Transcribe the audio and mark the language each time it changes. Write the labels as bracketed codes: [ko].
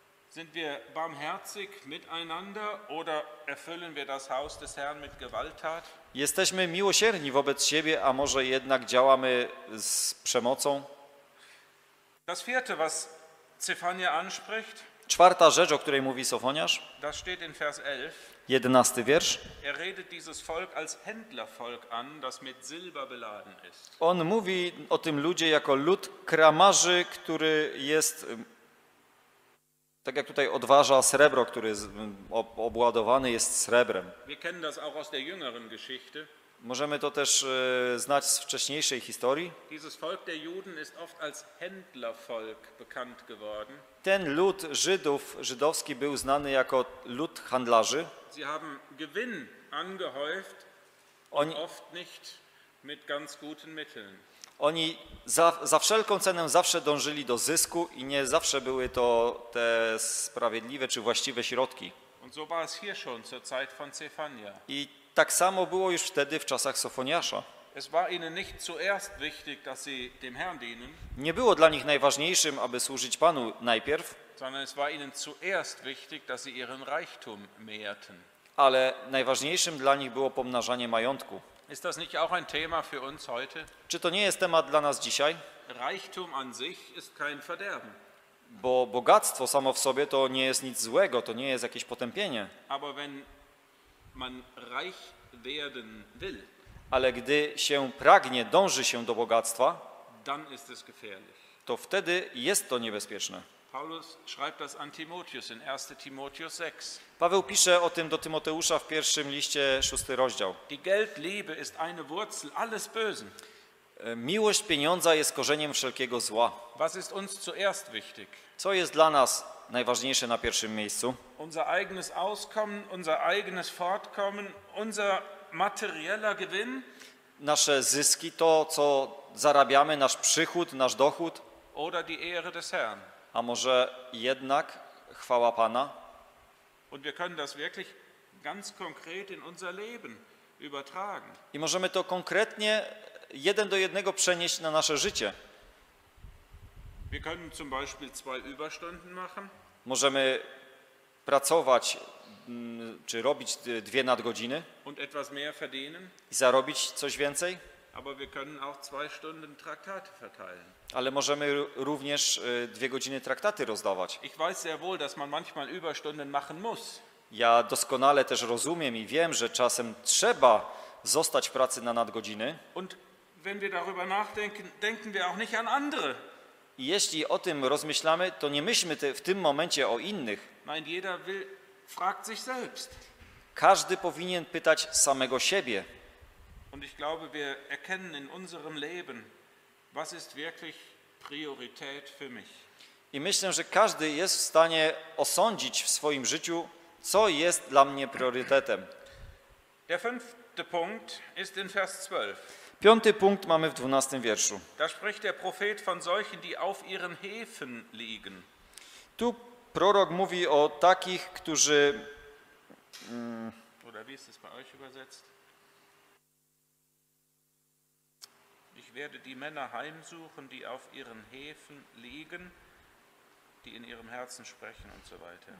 [de] Sind wir barmherzig miteinander oder erfüllen wir das Haus des Herrn mit Gewalttat? [pl] Jesteśmy miłosierni wobec siebie, a może jednak działamy z przemocą? [de] Das vierte, was Zefania anspricht. [pl] Czwarta rzecz, o której mówi Sofoniasz. [de] Das steht in Vers 11. [pl] 11. wiersz. [de] Er redet dieses Volk als Händlervolk an, das mit Silber beladen ist. [pl] On mówi o tym ludzie jako lud kramarzy, który jest, tak jak tutaj odważa srebro, który jest obładowany jest srebrem. [de] Wir kennen das auch aus der jüngeren Geschichte. [pl] Możemy to też znać z wcześniejszej historii. [de] Dieses Volk der Juden ist oft als Händlervolk bekannt geworden. [pl] Ten lud Żydów, żydowski, był znany jako lud handlarzy. [de] Sie haben Gewinn angehäuft und oft nicht mit ganz guten Mitteln. [pl] Oni za wszelką cenę zawsze dążyli do zysku i nie zawsze były to te sprawiedliwe czy właściwe środki. [de] Und so war es hier schon zur Zeit von Zefania. [pl] I tak samo było już wtedy w czasach Sofoniasza. [de] Es war ihnen nicht zuerst wichtig, dass sie dem Herrn dienen. [pl] Nie było dla nich najważniejszym, aby służyć Panu najpierw. [de] Sondern es war ihnen zuerst wichtig, dass sie ihren Reichtum mehrten. [pl] Ale najważniejszym dla nich było pomnażanie majątku. [de] Ist das nicht auch ein Thema für uns heute? [pl] Czy to nie jest temat dla nas dzisiaj? [de] Reichtum an sich ist kein Verderben. [pl] Bo bogactwo samo w sobie to nie jest nic złego, to nie jest jakieś potępienie. [de] Aber wenn man reich werden will, [pl] ale gdy się pragnie, dąży się do bogactwa, [de] dann ist es gefährlich. [pl] To wtedy jest to niebezpieczne. [de] Paulus schreibt das an Timotheus in 1. Timotheus 6. [pl] Paweł pisze o tym do Tymoteusza w pierwszym liście, 6. rozdział. [de] Die Geldliebe ist eine Wurzel alles Bösen. [pl] Miłość pieniądza jest korzeniem wszelkiego zła. [de] Was ist uns zuerst wichtig? [pl] Co jest dla nas najważniejsze na pierwszym miejscu? [de] Unser eigenes Auskommen, unser eigenes Fortkommen, unser materieller Gewinn. [pl] Nasze zyski, to co zarabiamy, nasz przychód, nasz dochód. [de] Oder die Ehre des Herrn. [pl] A może jednak chwała Pana? [de] Und wir können das wirklich ganz konkret in unser Leben übertragen. [pl] I możemy to konkretnie jeden do jednego przenieść na nasze życie. [de] Wir können zum Beispiel zwei Überstunden machen. [pl] Możemy pracować czy robić dwie nadgodziny [de] und etwas mehr verdienen. [pl] I zarobić coś więcej. [de] Aber wir können auch zwei Stunden Traktate verteilen. [pl] Ale możemy również dwie godziny traktaty rozdawać. [de] Ich weiß sehr wohl, dass man manchmal Überstunden machen muss. [pl] Ja doskonale też rozumiem i wiem, że czasem trzeba zostać w pracy na nadgodziny. [de] Und wenn wir darüber nachdenken, denken wir auch nicht an andere. [pl] I jeśli o tym rozmyślamy, to nie myślmy w tym momencie o innych. [de] Nein, jeder will, fragt sich selbst. [pl] Każdy powinien pytać samego siebie. [de] Und ich glaube, wir erkennen in unserem Leben, was ist wirklich Priorität für mich. [pl] I myślę, że każdy jest w stanie osądzić w swoim życiu, co jest dla mnie priorytetem. [de] Der fünfte Punkt ist in Vers 12. [pl] Piąty punkt mamy w 12. wierszu. [de] Da spricht der Prophet von solchen, die auf ihren Häfen liegen. [pl] Tu prorok mówi o takich, którzy [de] Oder wie ist es bei euch übersetzt? Ich werde die Männer heimsuchen, die auf ihren Häfen liegen, die in ihrem Herzen sprechen und so weiter.